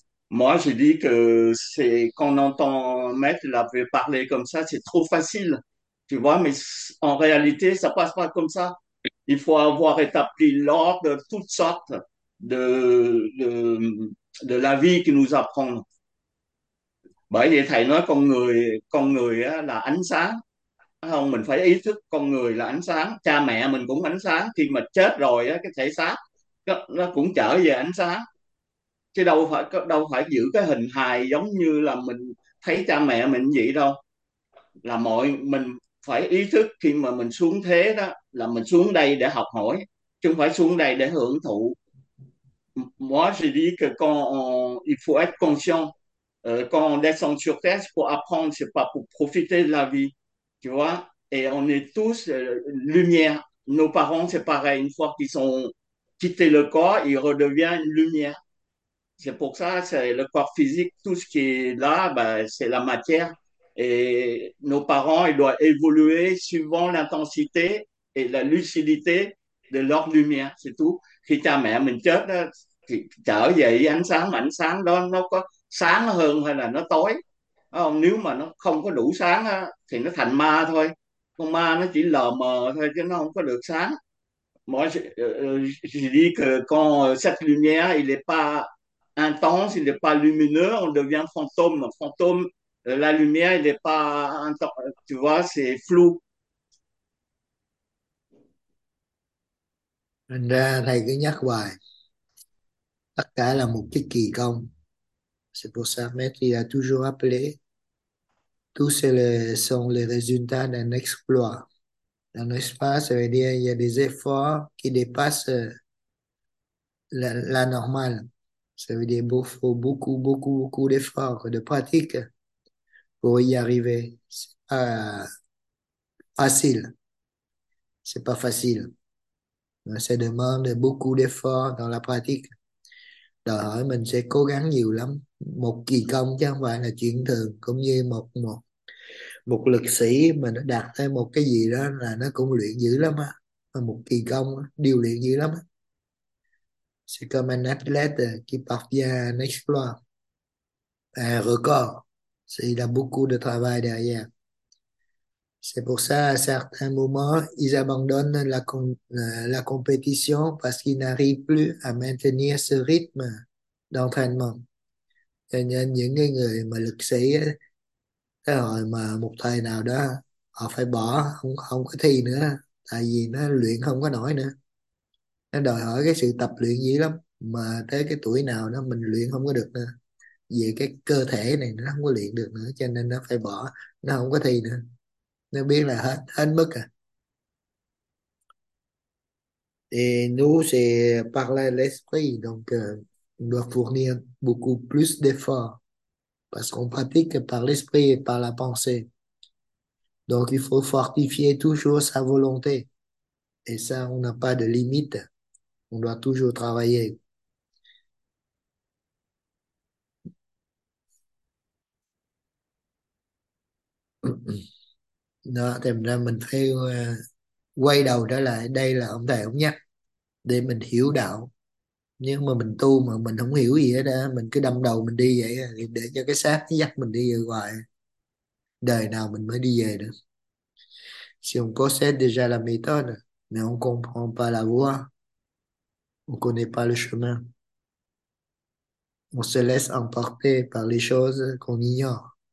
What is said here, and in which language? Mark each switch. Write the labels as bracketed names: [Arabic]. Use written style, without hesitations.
[French] Moi je dis que c'est quand on entend maître la veut parler comme ça, c'est trop facile, tu vois, mais en réalité ça passe pas comme ça. Il faut avoir établi l'ordre de toutes sortes de la vie qui nous apprend. [Vietnamese] Bởi vậy thầy nói con người á, là ánh sáng. Không, mình phải ý thức con người là ánh sáng. Cha mẹ mình cũng ánh sáng. Khi mà chết rồi á, cái thể xác nó cũng trở về ánh sáng. Chứ đâu phải giữ cái hình hài giống như là mình thấy cha mẹ mình vậy đâu. Là mình phải ý thức khi mà mình xuống thế đó, là mình xuống đây để học hỏi, chứ không phải xuống đây để hưởng thụ. [French] Moi, je dis que quand il faut être conscient, quand on descend sur terre, pour apprendre, c'est pas pour profiter de la vie. Tu vois? Et on est tous lumière. Nos parents, c'est pareil. Une fois qu'ils ont quitté le corps, ils redeviennent une lumière. C'est pour ça, c'est le corps physique, tout ce qui est là, ben, c'est la matière. Et nos parents, ils doivent évoluer suivant l'intensité et la lucidité de leur lumière, c'est tout. [Vietnamese] Khi cha mẹ mình chết đó, thì trở về ánh sáng đó nó có sáng hơn hay là nó tối không? Nếu mà nó không có đủ sáng đó, thì nó thành ma thôi. Con ma nó chỉ lờ mờ thôi chứ nó không có được sáng. [French] Moi, je dis que quand cette lumière, il n'est pas intense, il n'est pas lumineux, on devient fantôme. Fantôme, la lumière, il n'est pas intense, tu vois, c'est flou. [Vietnamese] Thành ra thầy cứ nhắc hoài, tất cả là một cái kỳ công. [French] C'est pour ça maître il a toujours appelé tous les sont les résultats d'un exploit. Dans l'espace, ça veut dire il y a des efforts qui dépassent la normale. Ça veut dire qu'il faut beaucoup, beaucoup, beaucoup d'efforts, de pratique pour y arriver. C'est pas facile. C'est pas facile. Ça demande beaucoup d'efforts dans la pratique. [Vietnamese] Đòi hỏi mình sẽ cố gắng nhiều lắm. Một kỳ công chứ không phải là chuyện thường. Cũng như một một một lực sĩ mà nó đạt tới một cái gì đó là nó cũng luyện dữ lắm á. Mà một kỳ công á, điều luyện dữ lắm á. [French] C'est comme un athlète qui parvient à un exploit. Un record. Il a beaucoup de travail derrière. C'est pour ça, à certains moments, ils abandonnent la compétition parce qu'ils n'arrivent plus à maintenir ce rythme d'entraînement. [Vietnamese] Cho nên những cái người mà lực sĩ ấy, cái hồi mà một thời nào đó họ phải bỏ, không không có thi nữa, tại vì nó luyện không có nổi nữa. Nó đòi hỏi cái sự tập luyện dữ lắm, mà tới cái tuổi nào đó mình luyện không có được nữa. Vì cái cơ thể này nó không có luyện được nữa, cho nên nó phải bỏ, nó không có thi nữa. Nó biết là hết hết mức à. [French] Et nous, c'est par l'esprit, donc on doit fournir beaucoup plus d'efforts parce qu'on pratique par l'esprit et par la pensée. Donc, il faut fortifier toujours sa volonté. Et ça, on n'a pas de limite. On doit toujours travailler. [Vietnamese] Đó, thành ra mình phải quay đầu trở lại. Đây là ông thầy ông nhắc để mình hiểu đạo. Nhưng mà mình tu mà mình không hiểu gì hết á, mình cứ đâm đầu mình đi vậy, để cho cái xác nó dắt mình đi về hoài. Đời nào mình mới đi về được? [French] Si on possède déjà la méthode, mais on comprend pas la voie, on connaît pas le chemin, on se laisse emporter par les choses qu'on ignore.